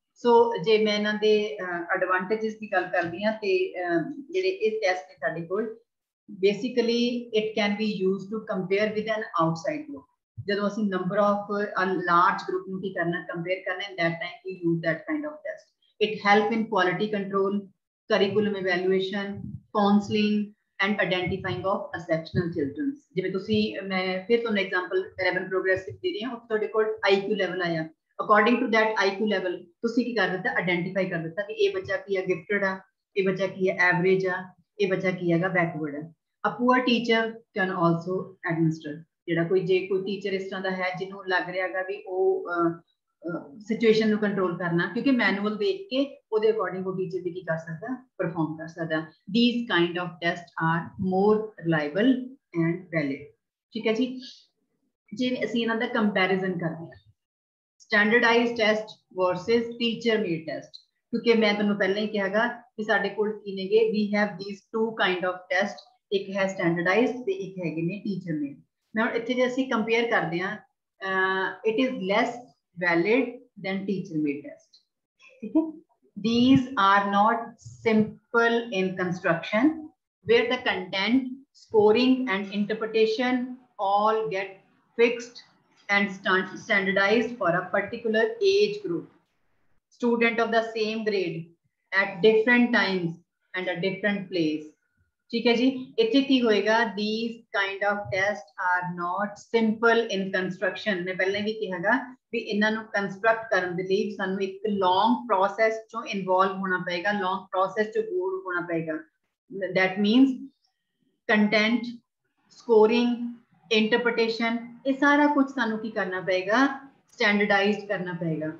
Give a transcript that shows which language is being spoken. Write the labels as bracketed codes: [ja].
[pa] ਸੋ ਜੇ ਮੈਂ ਇਹਨਾਂ ਦੇ ਐਡਵਾਂਟੇਜਿਸ ਦੀ ਗੱਲ ਕਰਦੀ ਹਾਂ, ਅਤੇ ਜਿਹੜੇ ਇਹ ਟੈਸਟ ਨੇ ਸਾਡੇ ਕੋਲ, [en] basically it can be use to compare with an outside group, [pa] ਜਦੋਂ ਅਸੀਂ ਨੰਬਰ ਆਫ ਲਾਰਜ ਗਰੁੱਪ ਨੂੰ ਕੀ ਕਰਨਾ ਕੰਪੇਅਰ ਕਰਨਾ, [en] In that time we use that kind of test. It help in quality control, curriculum evaluation, counselling, and identifying of exceptional children. [pa] ਜਿਵੇਂ ਤੁਸੀਂ ਮੈਂ ਫਿਰ ਤੁਹਾਨੂੰ ਐਗਜ਼ਾਮਪਲ 11 ਪ੍ਰੋਗਰੈਸਿਵ ਦੇ ਰਹੀ ਹਾਂ, ਉੱਥੇ ਤੁਹਾਡੇ ਕੋਲ ਆਈਕਿਊ ਲੈਵਲ ਆਇਆ, according to that IQ level ਤੁਸੀਂ ਕੀ ਕਰ ਦਿੱਤਾ, ਆਈਡੈਂਟੀਫਾਈ ਕਰ ਦਿੱਤਾ ਕਿ ਇਹ ਬੱਚਾ ਕੀ ਹੈ ਗਿਫਟਡ ਆ, ਇਹ ਬੱਚਾ ਕੀ ਹੈ ਐਵਰੇਜ ਆ, ਇਹ ਬੱਚਾ ਕੀ ਹੈਗਾ ਬੈਕਵਰਡ ਆ। [en] a poor teacher can also administer, [pa] ਜਿਹੜਾ ਕੋਈ ਜੇ ਕੋਈ ਟੀਚਰ ਇਸ ਤਰ੍ਹਾਂ ਦਾ ਹੈ ਜਿਹਨੂੰ ਲੱਗ ਰਿਹਾ ਹੈਗਾ ਵੀ ਉਹ ਸਿਚੁਏਸ਼ਨ ਨੂੰ ਕੰਟਰੋਲ ਕਰਨਾ, ਕਿਉਂਕਿ ਮੈਨੂਅਲ ਦੇਖ ਕੇ ਉਹਦੇ ਅਕੋਰਡਿੰਗ ਉਹ ਟੀਚਰ ਵੀ ਕੀ ਕਰ ਸਕਦਾ, ਪਰਫਾਰਮ ਕਰ ਸਕਦਾ। [en] These kind of test are more reliable and valid. [pa] ਠੀਕ ਹੈ ਜੀ, ਜੇ ਅਸੀਂ ਇਹਨਾਂ ਦਾ ਕੰਪੈਰੀਜ਼ਨ ਕਰਦੇ ਹਾਂ, standardised test versus teacher made test, ਕਿਉਂਕਿ ਮੈਂ ਤੁਹਾਨੂੰ ਪਹਿਲਾਂ ਹੀ ਕਿਹਾ ਹੈਗਾ ਕਿ ਸਾਡੇ ਕੋਲ ਕੀ ਨੇਗੇ, [en] we have these two kind of test, [pa] ਇੱਕ ਹੈ ਸਟੈਂਡਰਡਾਈਜ਼ਡ ਤੇ ਇੱਕ ਹੈਗੇ ਨੇ ਟੀਚਰ ਮੇਡ। ਮੈਂ ਹੁਣ ਇੱਥੇ ਜੇ ਅਸੀਂ ਕੰਪੇਅਰ ਕਰਦੇ ਹਾਂ, [en] It is less valid than teacher made test. These are not simple in construction, where the content, scoring and interpretation all get fixed and standardized for a particular age group. Student of the same grade at different times and a different place. [pa] ਠੀਕ ਹੈ ਜੀ, ਇੱਥੇ ਕੀ ਹੋਏਗਾ, [en] These kind of test are not simple in construction. [pa] ਮੈਂ ਪਹਿਲਾਂ ਵੀ ਕਿਹਾ ਹੈਗਾ ਵੀ ਇਹਨਾਂ ਨੂੰ ਕੰਸਟਰਕਟ ਕਰਨ ਦੇ ਲਈ ਸਾਨੂੰ ਇੱਕ ਲੌਂਗ ਪ੍ਰੋਸੈਸ ਚੋਂ ਇਨਵੋਲਵ ਹੋਣਾ ਪਏਗਾ, ਲੌਂਗ ਪ੍ਰੋਸੈਸ ਚੋਂ ਗੋਰ ਹੋਣਾ ਪਏਗਾ। ਦੈਟ ਮੀਨਸ ਕੰਟੈਂਟ, ਸਕੋਰਿੰਗ, ਇੰਟਰਪ੍ਰਟੇਸ਼ਨ, ਇਹ ਸਾਰਾ ਕੁਛ ਸਾਨੂੰ ਕੀ ਕਰਨਾ ਪਏਗਾ, ਸਟੈਂਡਰਡਾਈਜ਼ ਕਰਨਾ ਪਏਗਾ।